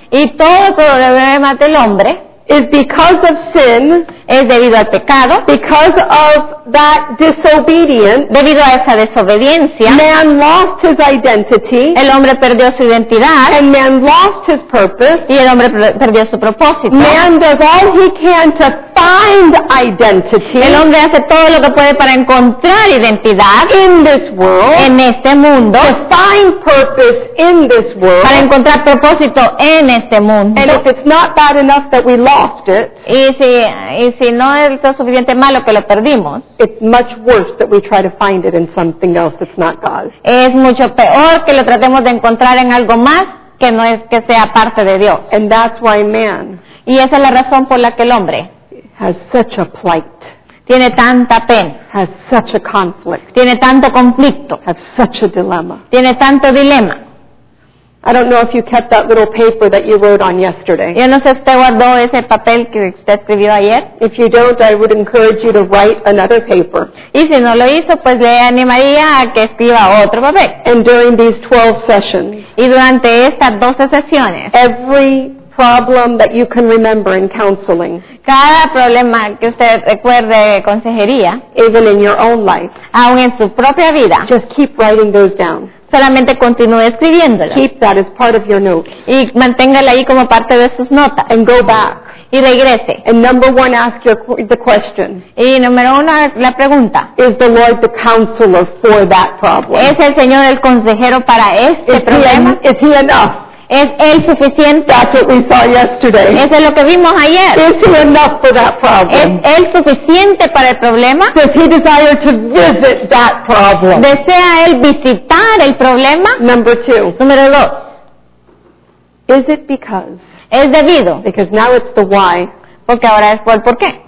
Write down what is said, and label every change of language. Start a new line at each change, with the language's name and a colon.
Spanish: Y todo problema del hombre.
English: Is because of sin.
Spanish: Es debido al pecado.
English: Because of that disobedience.
Spanish: Debido a esa desobediencia.
English: Man lost his identity.
Spanish: El hombre perdió su identidad.
English: And man lost his purpose.
Spanish: Y el hombre perdió su propósito.
English: Man does all he can to find identity.
Spanish: El hombre hace todo lo que puede para encontrar identidad
English: in this world.
Spanish: En este mundo.
English: To find purpose in this world.
Spanish: Para encontrar propósito en este mundo.
English: And if it's not bad enough that we lost it.
Spanish: Y si no es lo suficiente malo que lo perdimos.
English: It's much worse that we try to find it in something else that's not God.
Spanish: Es mucho peor que lo tratemos de encontrar en algo más que no es que sea parte de Dios.
English: And that's why man.
Spanish: Y esa es la razón por la que el hombre
English: has such a plight.
Spanish: Tiene tanta pena.
English: Has such a conflict.
Spanish: Tiene tanto conflicto.
English: Has such a dilemma.
Spanish: Tiene tanto dilema.
English: I don't know if you kept that little paper that you wrote on yesterday.
Spanish: Yo no sé si usted guardó ese papel que usted escribió ayer.
English: If you don't, I would encourage you to write another paper.
Spanish: Y si no lo hizo, pues le animaría a que escriba otro papel.
English: And during these 12 sessions.
Spanish: Y durante estas 12 sesiones.
English: Every problem that you can remember in counseling.
Spanish: Cada problema que usted recuerde de consejería.
English: Even in your own life.
Spanish: Aún en su propia vida.
English: Just keep writing those down.
Spanish: Solamente continúe escribiéndolo.
English: Keep that as part of your notes.
Spanish: Y manténgala ahí como parte de sus notas.
English: And go back.
Spanish: Y regrese.
English: And number one, ask the question.
Spanish: Y número uno, la pregunta.
English: Is the Lord the counselor for that problem?
Spanish: ¿Es el Señor el consejero para este problema?
English: Is he enough?
Spanish: ¿Es él suficiente?
English: That's what we saw yesterday.
Spanish: Eso es lo que vimos ayer.
English: Is he enough for that problem?
Spanish: ¿Es él suficiente para el problema?
English: Does he desire to visit that problem?
Spanish: ¿Desea él visitar el problema?
English: Number two.
Spanish: Número dos.
English: Is it because?
Spanish: ¿Es debido?
English: Because now it's the why.
Spanish: Porque ahora es por el por qué.